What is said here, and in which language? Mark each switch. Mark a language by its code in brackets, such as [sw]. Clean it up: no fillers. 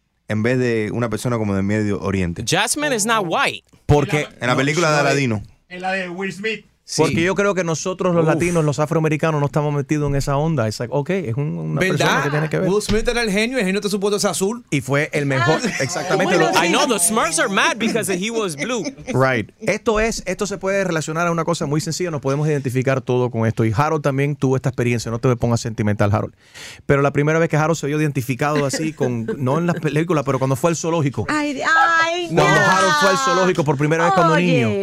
[es] en vez de una persona como de Medio Oriente. [en] Jasmine is not white. [es] Porque en la película de Aladino. En la de Will Smith. Sí. Porque yo creo que nosotros los latinos, los afroamericanos, no estamos metidos en esa onda. Es [en] like, okay, [es] es una persona que tiene que ver. Will Smith era el genio está supuesto es azul. Y fue el mejor, exactamente. Bueno, [en] I know the Smurfs are mad because he was blue. Right. [es] Esto se puede relacionar a una cosa muy sencilla, nos podemos identificar todo con esto. Y Harold también tuvo esta experiencia, no te pongas sentimental, Harold. Pero la primera vez que Harold se vio identificado así, con no en las películas, pero cuando fue al zoológico. Cuando Harold fue al zoológico por primera vez cuando niño.